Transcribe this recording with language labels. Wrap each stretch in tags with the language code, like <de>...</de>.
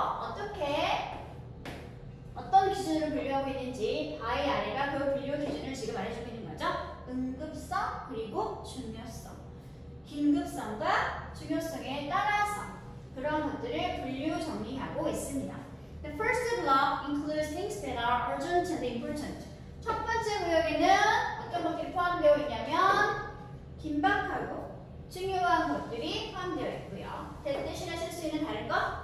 <ko>어떻게 어떤 기준으로 분류하고 있는지 바의 아래가 그 분류 기준을 지금 알려주고 있는 거죠. 응급성 그리고 중요성, 긴급성과 중요성에 따라서 그런 것들을 분류 정리하고 있습니다.</ko> <en>The first block includes things that are urgent and important.</en> <ko>첫 번째 구역에는 어떤 것들이 포함되어 있냐면 긴박하고 중요한 것들이 포함되어 있고요. 대신에 쓸 수 있는 다른 거?</ko>